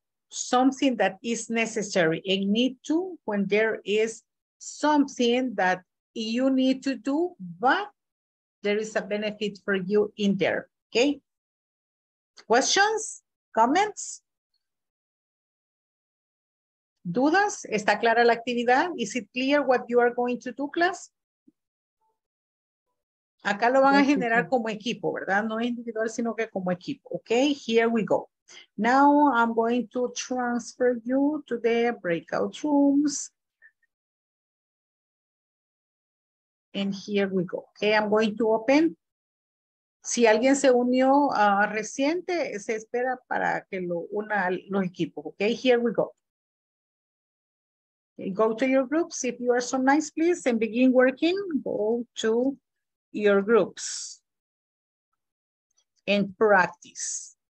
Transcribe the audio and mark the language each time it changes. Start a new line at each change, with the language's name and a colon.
English: Something that is necessary. I need to when there is something that you need to do, but there is a benefit for you in there, okay? Questions, comments?
Spanish: Dudas? ¿Está clara la actividad?
English: Is it clear what you are going to do, class?
Spanish: Acá lo van a generar como equipo, ¿verdad? No individual, sino que como equipo.
English: Okay, here we go. Now I'm going to transfer you to the breakout rooms. And here we go. Okay, I'm going to open.
Spanish: Si alguien se unió reciente, se espera para que lo una los equipos.
English: Okay, here we go. Okay, go to your groups. If you are so nice, please, and begin working. Go to your groups and practice.